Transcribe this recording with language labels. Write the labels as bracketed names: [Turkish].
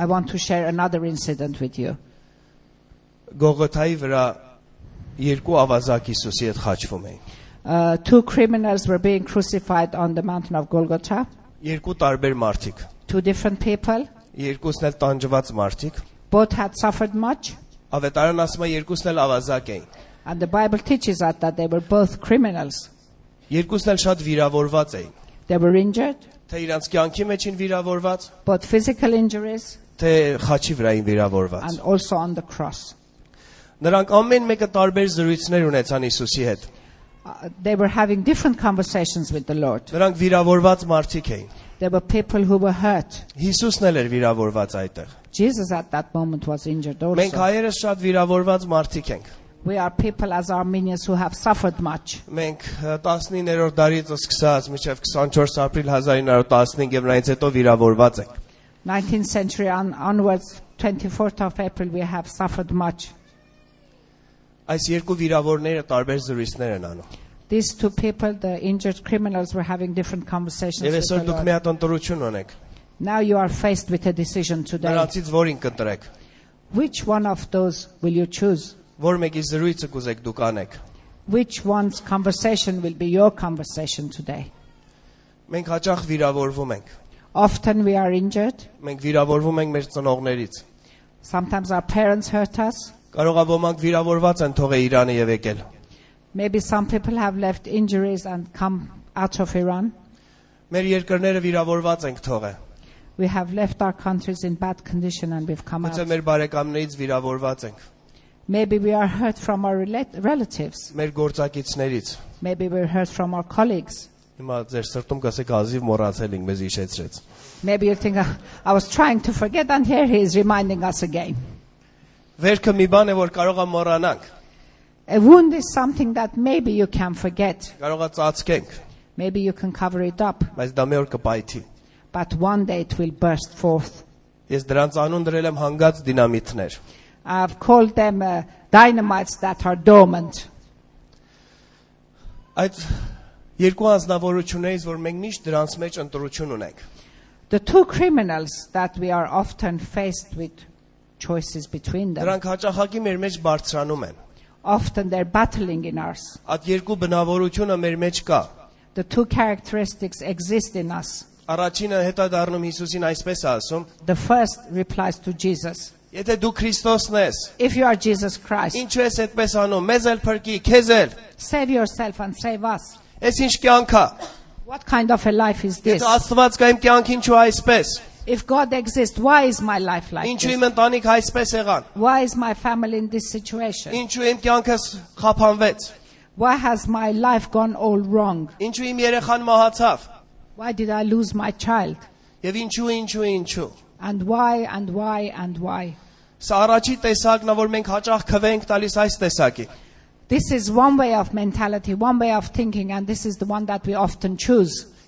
[English] I want to share another incident with you. [Armenian] Գողթայի վրա երկու ավազակ Հիսուսի հետ խաչվում էին. [English] Two criminals were being crucified on the mountain of Golgotha. [Armenian] Երկու տարբեր մարդիկ. [English] Two different people. [Armenian] Երկուսն էլ տանջված մարդիկ. [English] Both had suffered much. [Armenian] Ավետարանն ասում է երկուսն էլ ավազակ էին. [English] And the Bible teaches us that they were both criminals. [Armenian] Երկուսն էլ շատ վիրավորված էին. [English] They were injured. [Armenian] Թե իրանց կյանքի մեջ են վիրավորված, [English] but physical injuries, [Armenian] թե խաչի վրա են վիրավորված, [English] and also on the cross. [Armenian] Նրանք ամեն մեկը տարբեր զրույցներ ունեցան Հիսուսի հետ. [English] They were having different conversations with the Lord. [Armenian] Նրանք վիրավորված մարդիկ էին. [English] They were people who were hurt. [Armenian] Հիսուսն էլ էր վիրավորված այդտեղ. [English] Jesus at that moment was injured also. [Armenian] Մենք հայերս շատ վիրավորված մարդիկ ենք. [English] We are people as Armenians who have suffered much. [Armenian] Մենք 19-րդ դարից սկսած մինչև 24 ապրիլ 1915 եւ նրանից հետո վիրավորված ենք. [English] 19th century onwards 24th of April we have suffered much. [Armenian] Այս երկու վիրավորները տարբեր զրույցներ են անում. [English] These two people, the injured criminals, were having different conversations. [Armenian] Եվ այսօր դուք մի հատ ընտրություն ունեք. [English] Now you are faced with a decision today. [Armenian] Նրանցից ո՞րին կընտրեք. [English] Which one of those will you choose? [Armenian] Որ մեկի զրույցը կուզեք դուք անեք. [English] Which one's conversation will be your conversation today? [Armenian] Մենք հաճախ վիրավորվում ենք. [English] Often we are injured. [Armenian] Մենք վիրավորվում ենք մեր ծնողներից. [English] Sometimes our parents hurt us. [Armenian] Կարող է ոմանք վիրավորված են թողե Իրանը եւ եկել. [English] Maybe some people have left injuries and come out of Iran. [Armenian] Մեր երկրները վիրավորված ենք թողե. [English] We have left our countries in bad condition and we've come out. [Armenian] Մենք մեր բարեկամներից վիրավորված ենք. [English] Maybe we are hurt from our relatives. [Armenian] Մեր գործակիցներից. [English] Maybe we're hurt from our colleagues. [Armenian] Հիմա ձեր սրտում գասեք ազիվ մոռացել ենք, մեզ հիշեցրեց. [English] Maybe you think I was trying to forget and here he is reminding us again. [Armenian] Վերքը մի բան է, որ կարող ենք մոռանանք. [English] A wound is something that maybe you can forget. [Armenian] Կարող ենք ծածկենք. [English] Maybe you can cover it up. [Armenian] Բայց դա մի օր կպայթի. [English] But one day it will burst forth. [Armenian] Ես դրանց անուն դրել եմ հանգած դինամիտներ. [English] I've called them dynamites that are dormant. [Armenian] Այդ երկու անձնավորություններից, որ մենք միշտ դրանց մեջ ընտրություն ունենք. [English] The two criminals that we are often faced with choices between them. [Armenian] Դրանք հաճախակի մեր մեջ բարձրանում են. [English] Often they're battling in us. [Armenian] Այդ երկու բնավորությունը մեր մեջ կա. [English] The two characteristics exist in us. [Armenian] Առաջինը հետադառնում Հիսուսին այսպես ասում. [English] The first replies to Jesus. [Armenian] Եթե դու Քրիստոսն ես, [English] if you are Jesus Christ, [Armenian] ինչու ես այդպես անում, մեզ էլ փրկի, քեզ էլ, [English] save yourself and save us. [Armenian] Էս ինչ կյանք է, [English] what kind of a life is this? [Armenian] Եթե Աստված կա, իմ կյանք ինչու այսպես, [English] if God exists, why is my life like this? [Armenian] Ինչու իմ ընտանիք այսպես եղան, [English] why is my family in this situation? [Armenian] Ինչու իմ կյանքս խափանվեց, [English] why has my life gone all wrong? [Armenian] Ինչու իմ երեխան մահացավ, [English] why did I lose my child? [Armenian] Եվ ինչու [English] and why and why and why. [Armenian] Սա առաջի տեսակն է, որ մենք հաճախ քվենք տալիս այս տեսակին. [English] This is one way of mentality, one way of thinking, and this is the one that we often choose.